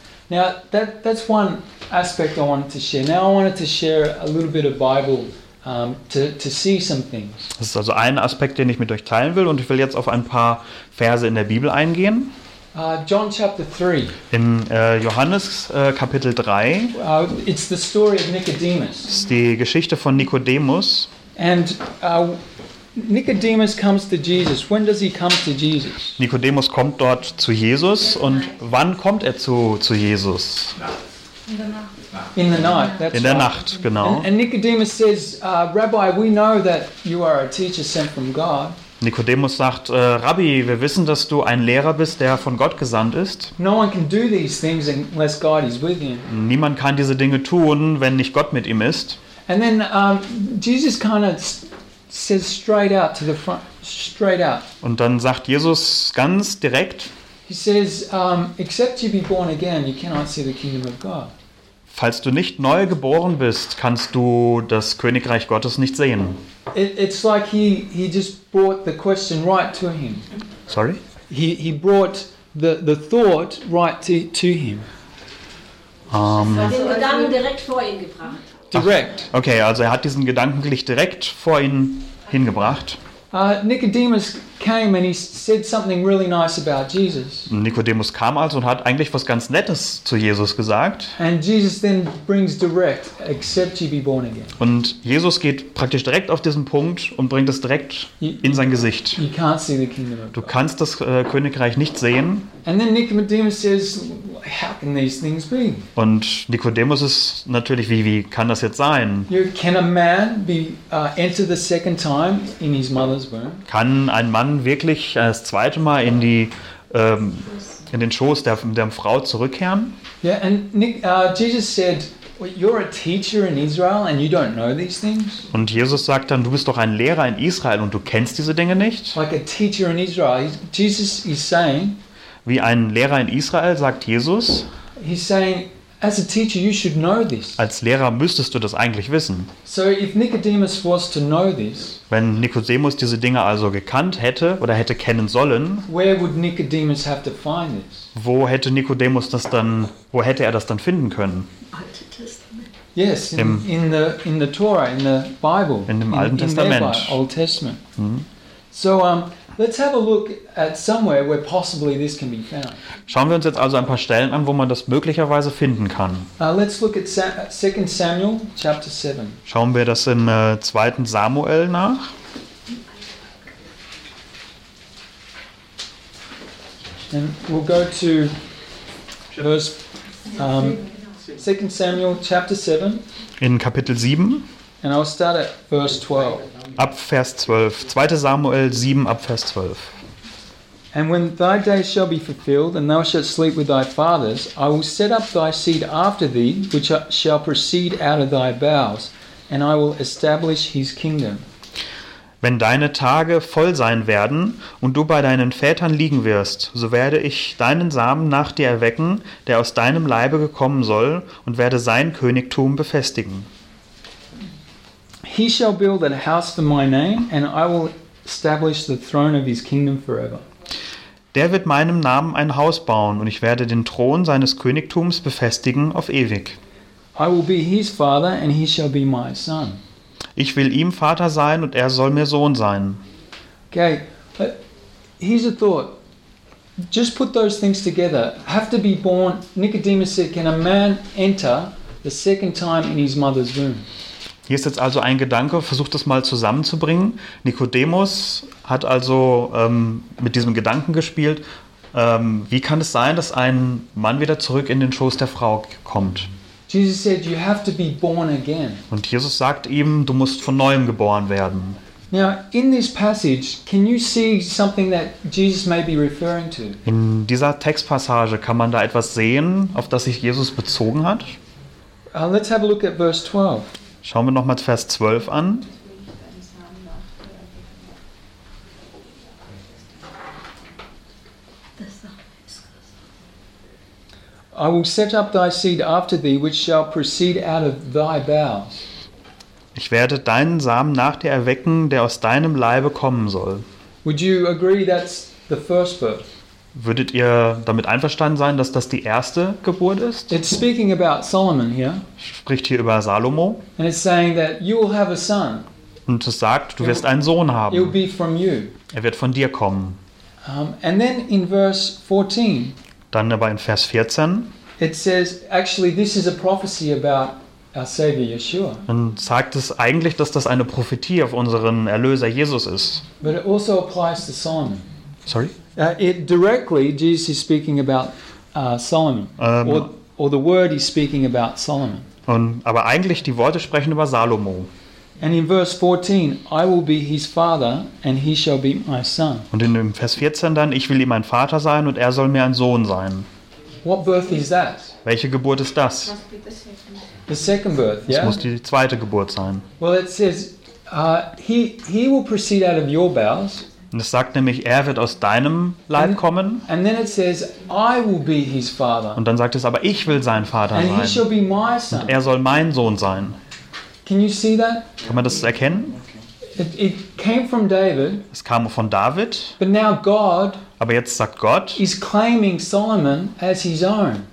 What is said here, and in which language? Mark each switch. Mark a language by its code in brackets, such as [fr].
[en] Now that's one aspect I wanted to share. Now I wanted to share a little bit of Bible to see some things. [de] Das ist also ein Aspekt, den ich mit euch teilen will, und ich will jetzt auf ein paar Verse in der Bibel eingehen. [en] John chapter 3. [de] In Johannes Kapitel 3. [en] It's the story of Nicodemus. [de] Ist die Geschichte von Nikodemus. [en] And Nicodemus comes to Jesus. When does he come to Jesus? [de] Nikodemus kommt dort zu Jesus. Und wann kommt er zu Jesus? [en] In the night. That's [de] in der Nacht, genau. [en] And Nicodemus says, Rabbi, we know that you are a teacher sent from God. [de] Nikodemus sagt, Rabbi, wir wissen, dass du ein Lehrer bist, der von Gott gesandt ist. [en] No one can do these things unless God is with him. [de] Niemand kann diese Dinge tun, wenn nicht Gott mit ihm ist. [en] And then Jesus kind of says straight out to the front, straight out. [de] Und dann sagt Jesus ganz direkt. [en] He says, except you be born again, you cannot see the kingdom of God. [de] Falls du nicht neu geboren bist, kannst du das Königreich Gottes nicht sehen. [en] It's like he just brought the question right to him. Sorry? He brought the thought right to him. [de] Hat den Gedanken direkt vor ihn gebracht. Direkt. Ach, okay, also er hat diesen Gedanken gleich direkt vor ihn hingebracht. [en] Nicodemus came and he said something really nice about Jesus. [de] Nikodemus kam also und hat eigentlich was ganz Nettes zu Jesus gesagt. [en] And Jesus then brings direct, except you be born again. [de] Und Jesus geht praktisch direkt auf diesen Punkt und bringt es direkt in sein Gesicht. [en] You can't see the kingdom of God. [de] Du kannst das Königreich nicht sehen. [en] And then Nicodemus says, how can these things be? [de] Und Nikodemus ist natürlich, wie kann das jetzt sein? [en] Can a man be enter the second time in his mother's womb? [de] Kann ein Mann wirklich das zweite Mal in die in den Schoß der Frau zurückkehren? [en] Yeah, and Jesus said, you're a teacher in Israel and you don't know these things? [de] Und Jesus sagt dann, du bist doch ein Lehrer in Israel und du kennst diese Dinge nicht? [en] Like a teacher in Israel, Jesus is saying. [de] Wie ein Lehrer in Israel, sagt Jesus. [en] He's saying, as a teacher, you should know this. [de] Als Lehrer müsstest du das eigentlich wissen. [en] So if Nicodemus was to know this, [de] wenn Nikodemus diese Dinge also gekannt hätte oder hätte kennen sollen, [en] where would Nicodemus have to find this? [de] Wo hätte Nikodemus das dann, wo hätte er das dann finden können? [en] Yes, in the Torah, in the Bible. [de] In dem Alten Testament. [en] In the Old Testament. So let's have a look at somewhere where possibly this can be found. [de] Schauen wir uns jetzt also ein paar Stellen an, wo man das möglicherweise finden kann. [en] Let's look at 2 Samuel chapter 7. [de] Schauen wir das im 2. Samuel nach. [en] And we'll go to verse 2 Samuel chapter 7. [de] In Kapitel 7. [en] And I'll start at verse 12. [de] Ab Vers 12, 2. Samuel 7, ab Vers 12. [en] And when thy days shall be fulfilled, and thou shalt sleep with thy fathers, I will set up thy seed after thee, which shall proceed out of thy bowels, and I will establish his kingdom. [de] Wenn deine Tage voll sein werden und du bei deinen Vätern liegen wirst, so werde ich deinen Samen nach dir erwecken, der aus deinem Leibe gekommen soll, und werde sein Königtum befestigen. [en] He shall build a house for my name, and I will establish the throne of his kingdom forever. [de] Der wird meinem Namen ein Haus bauen, und ich werde den Thron seines Königtums befestigen auf ewig. [en] I will be his father, and he shall be my son. [de] Ich will ihm Vater sein und er soll mir Sohn sein. [en] Okay, here's a thought. Just put those things together. Have to be born. Nicodemus said, can a man enter the second time in his mother's womb? [de] Hier ist jetzt also ein Gedanke, versucht das mal zusammenzubringen. Nikodemus hat also mit diesem Gedanken gespielt. Wie kann es sein, dass ein Mann wieder zurück in den Schoß der Frau kommt? [en] Jesus said, you have to be born again. [de] Und Jesus sagt ihm, du musst von neuem geboren werden. [en] Now, in this passage, can you see something that Jesus may be referring to? [de] In dieser Textpassage kann man da etwas sehen, auf das sich Jesus bezogen hat. [en] Let's have a look at verse 12. [de] Schauen wir nochmal Vers 12 an. [en] I will set up thy seed after thee, which shall proceed out of thy bowels. [de] Ich werde deinen Samen nach dir erwecken, der aus deinem Leibe kommen soll. [en] Would you agree that's the first birth? [de] Würdet ihr damit einverstanden sein, dass das die erste Geburt ist? [en] It's speaking about Solomon here. [de] Spricht hier über Salomo. [en] And it's saying that you will have a son. [de] Und es sagt, du wirst einen Sohn haben. [en] It will be from you. [de] Er wird von dir kommen. [en] And then in verse 14. [de] Dann aber in Vers 14. [en] It says, actually, this is a prophecy about our Savior Yeshua. [de] Dann sagt es eigentlich, dass das eine Prophetie auf unseren Erlöser Jesus ist. [en] But it also applies to Solomon. Sorry? It directly Jesus is speaking about Solomon, or the word he's speaking about Solomon. [de] Aber eigentlich die Worte sprechen über Salomo. [en] And in verse 14, I will be his father, and he shall be my son. [de] Und in dem Vers 14 dann, ich will ihm ein Vater sein und er soll mir ein Sohn sein. [en] What birth is that? [de] Welche Geburt ist das? [en] The second birth. Yeah. [de] Es muss die zweite Geburt sein. [en] Well, it says he will proceed out of your bowels. [de] Und es sagt nämlich, er wird aus deinem Leib kommen. [en] And then it says, I will be his father. [de] Und dann sagt es aber, ich will sein Vater [en] and [de] sein. [en] He shall be my son. [de] Und er soll mein Sohn sein. [en] Can you see that? [de] Kann man das erkennen? [en] It came from David. [de] Es kam von David. [en] But now God. [de] Aber jetzt sagt Gott. [en] Is claiming Solomon as his own.